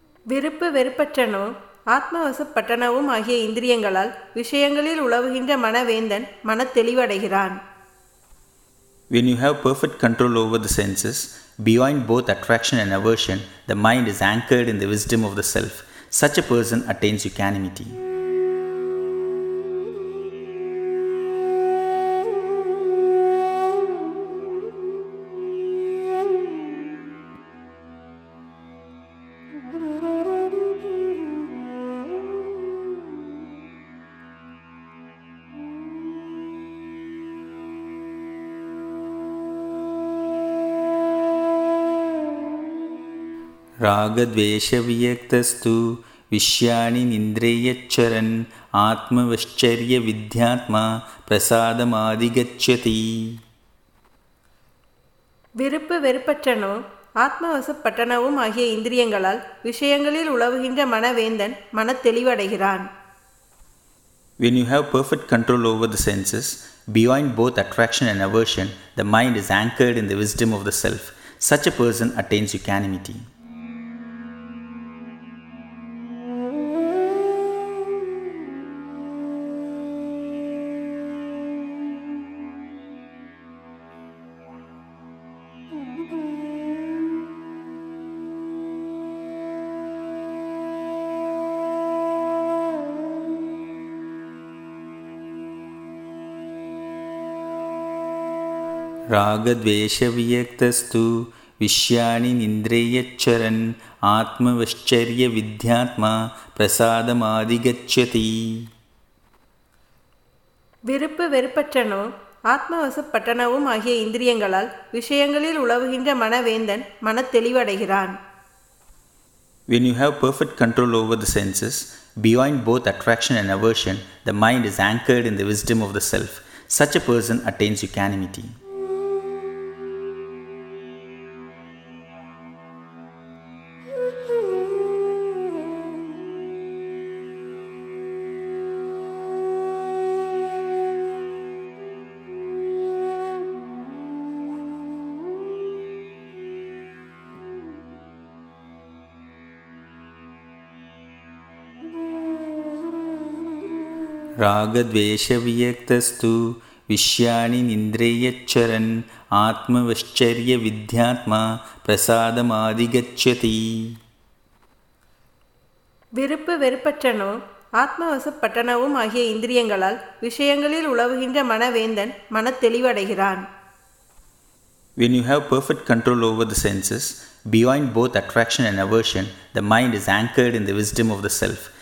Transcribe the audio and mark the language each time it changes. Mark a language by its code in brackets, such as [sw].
[ta] விருப்பு வெறுப்பற்றனவும் ஆத்மவசப்பட்டனவும் ஆகிய இந்திரியங்களால் விஷயங்களில் உழவுகின்ற மனவேந்தன் மனத்தெளிவடைகிறான். [en] When you have perfect control over the senses, beyond both attraction and aversion, the mind is anchored in the wisdom of the self. Such a person attains equanimity. [sa] ராகத்வேஷவியக்தஸ்து விஷயாணி நிந்திரேயச்சரன் ஆத்மவஷ்சர்ய வித்யாத்மா பிரசாதமாதிகச்சதி. [ta] விருப்பு வெறுப்பற்றனவும் ஆத்மவசப்பட்டனவும் ஆகிய இந்திரியங்களால் விஷயங்களில் உழவுகின்ற மனவேந்தன் மனத்தெளிவடைகிறான். [en] When you have perfect control over the senses, beyond both attraction and aversion, the mind is anchored in the wisdom of the self. Such a person attains equanimity. [sa] ராகத்வேஷவியக்தஸ்து விஷயாணி நிந்திரேயச்சரன் ஆத்மவஷ்சர்ய வித்யாத்மா பிரசாதமாதிகச்சதி. [ta] விருப்பு வெறுப்பற்றனவும் ஆத்மவசப்பட்டனவும் ஆகிய இந்திரியங்களால் விஷயங்களில் உழவுகின்ற மனவேந்தன் மனத்தெளிவடைகிறான். [en] When you have perfect control over the senses, beyond both attraction and aversion, the mind is anchored in the wisdom of the self. Such a person attains equanimity. [sa] ராகத்வேஷவியக்தஸ்து விஷயாணி நிந்திரேயச்சரன் ஆத்மவஷ்சர்ய வித்யாத்மா பிரசாதமாதிகச்சதி. [ta] விருப்பு வெறுப்பற்றனவும் ஆத்மவசப்பட்டனவும் ஆகிய இந்திரியங்களால் விஷயங்களில் உழவுகின்ற மனவேந்தன் மனத்தெளிவடைகிறான். [en] When you have perfect control over the senses, beyond both attraction and aversion, the mind is anchored in the wisdom of the self.